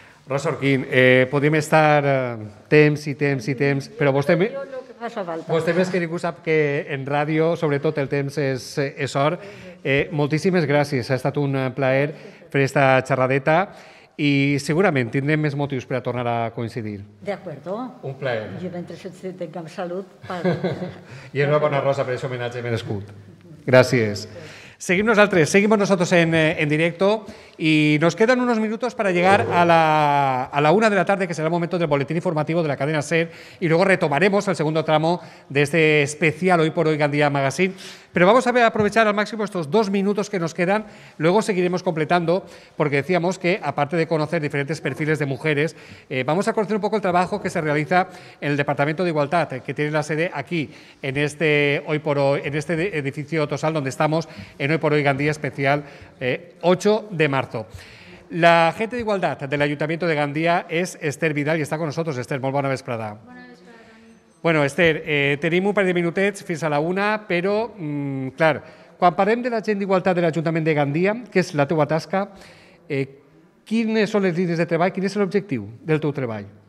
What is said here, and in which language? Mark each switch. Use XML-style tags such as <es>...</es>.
<ca>Rosa Orquín, podem estar temps i temps i temps, però vostè més que ningú sap que en ràdio, sobretot, el temps és or. Moltíssimes gràcies, ha estat un plaer fer esta xerradeta. I segurament tindrem més motius per a tornar a coincidir. D'acord. Un plaer. Jo mentre tinc amb salut... I és una bona rosa per aquest homenatge merescut. Gràcies. Seguim nosaltres</ca> <es>en directo i nos quedan unos minutos para llegar a la una de la tarde, que será el momento del boletín informativo de la cadena SER, y luego retomaremos el segundo tramo de este especial Hoy por Hoy Gandía Magazine. Pero vamos a aprovechar al máximo estos dos minutos que nos quedan, luego seguiremos completando, porque decíamos que, aparte de conocer diferentes perfiles de mujeres, vamos a conocer un poco el trabajo que se realiza en el Departamento de Igualdad, que tiene la sede aquí, en este Hoy por Hoy, en este edificio Tosal, donde estamos en Hoy por Hoy Gandía especial 8 de marzo. La gente de igualdad del Ayuntamiento de Gandía es Esther Vidal y está con nosotros.</es> <ca>Esther, molt bona vesprada. Bona vesprada. Bueno, Esther, tenim</ca> <es>un par de</es> <ca>minutets fins a la una, però, clar, quan parlem de la gent d'igualtat de l'Ajuntament de Gandia, que és la teua tasca, quines són les línies de treball, quin és l'objectiu del teu treball?</ca>